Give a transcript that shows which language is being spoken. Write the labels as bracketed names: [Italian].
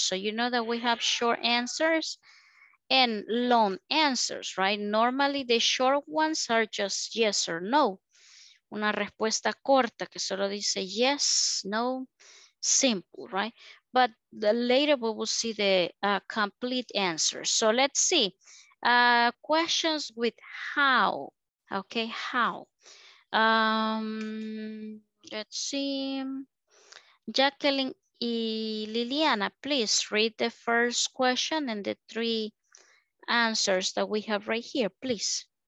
[English] So you know that we have short answers and long answers, right? Normally the short ones are just yes or no. [Spanish] Una respuesta corta que solo dice [English] yes, no, simple, right? But later we will see the complete answers. So let's see, questions with how, okay, how. Let's see, Jacqueline y Liliana, please read the first question and the three answers that we have right here, please.